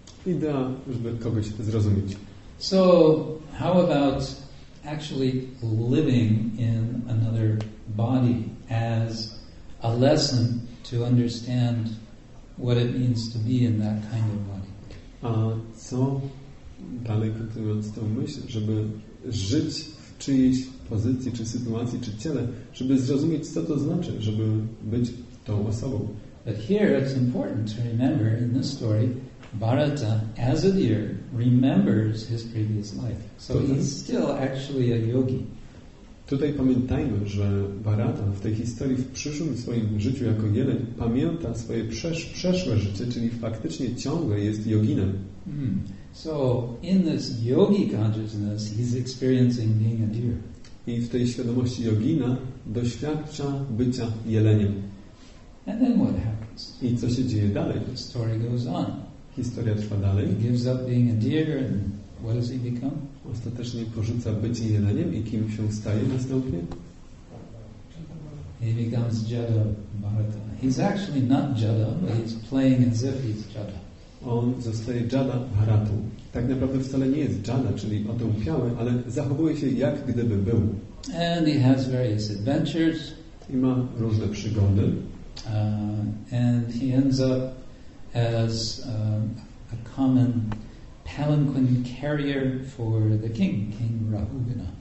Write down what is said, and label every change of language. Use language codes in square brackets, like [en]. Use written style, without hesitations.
[pl] Idea, żeby kogoś zrozumieć. [en] So, how about actually living in another body as a lesson to understand what it means to be in that kind of body? [pl] A co dalej kontynuując tę myśl, żeby żyć w czyjejś pozycji, czy sytuacji, czy ciele, żeby zrozumieć, co to znaczy, żeby być tą osobą. [en] But here it's important to remember in this story, Bharata, as a deer, remembers his previous life. So he's still actually a yogi. [pl] Tutaj pamiętajmy, że Bharata w tej historii, w przyszłym swoim życiu jako jeleń, pamięta swoje przeszłe życie, czyli faktycznie ciągle jest joginem. Hmm. [en] So in this yogi consciousness, he's experiencing being a deer. [pl] I w tej świadomości jogina doświadcza bycia jeleniem. [en] And then what happens? [pl] I co się dzieje dalej? [en] The story goes on. [pl] Historia trwa dalej. [en] He gives up being a deer, and what does he become? [pl] Ostatecznie porzuca bycie jeleniem i kim się staje następnie? [en] He becomes Jada Bharata. He's actually not Jada, but he's playing as if he's Jada. [pl] On zostaje Jada Bharatu. Tak naprawdę wcale nie jest Jada, czyli otępiały, ale zachowuje się jak gdyby był. [en] And he has various adventures. [pl] I ma różne przygody. [en] And he ends up as a common palanquin carrier for the king, King Rahuvina.